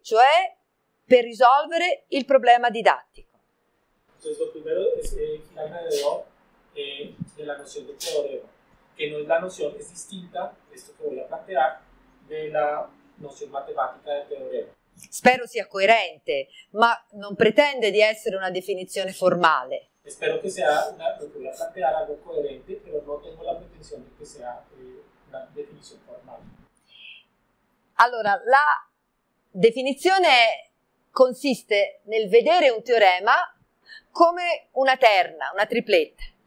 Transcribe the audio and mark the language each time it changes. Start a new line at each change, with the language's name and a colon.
Italian: Cioè per risolvere il problema didattico.
Spanish: Entonces, lo primero es girarme alrededor de la noción de teorema, que no es la noción, es distinta, esto que voy a plantear, de la noción matemática del teorema.
Italian: Spero sia coerente, ma non pretende di essere una definizione formale.
Spanish: Espero que sea una, lo que voy a plantear algo coherente, pero no tengo la pretensión de que sea una definición
Italian: formale. Allora, la definizione consiste nel vedere un teorema come una terna, una tripletta.